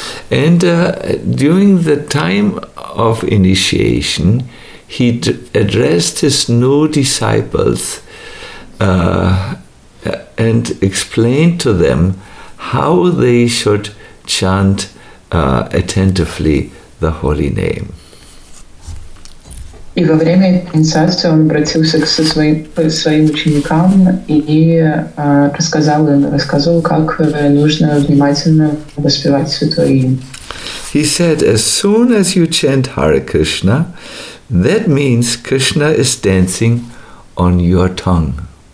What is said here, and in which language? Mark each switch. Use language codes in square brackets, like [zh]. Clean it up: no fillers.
[en] And during the time of initiation, he addressed his new disciples and explained to them how they should chant attentively the holy name. [ru] И во время инициации он обратился к своим ученикам и рассказал, как нужно внимательно воспевать святое имя. [en] He said, as soon as you chant Hare Krishna, that means Krishna is dancing on your tongue.